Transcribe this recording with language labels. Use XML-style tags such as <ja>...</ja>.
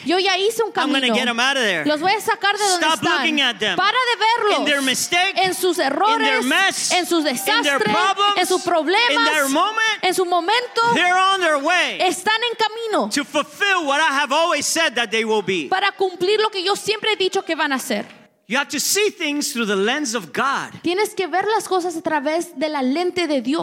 <es>Yo ya hice un camino.</es> <en>I'm going to get them out of there.</en> <es>Los voy a sacar de donde</es> <en>stop</en> <es>están.</es> <en>Stop looking at them.</en> <es>Para de verlos.</es> <en>In their mistake.</en> <es>En sus errores.</es> <en>In their mess.</en> <es>En sus desastres.</es> <en>In their problems.</en> <es>En sus problemas.</es> <en>In their moment.</en> <es>En su momento.</es> <en>They're on their way.</en> <es>Están en camino.</es> <en>To fulfill what I have always said that they will be.</en> <es>Para cumplir lo que yo siempre he dicho que van a ser.</es> <en>You have to see things through the lens of God.</en> <es>Tienes que ver las cosas a través de la lente de Dios.</es>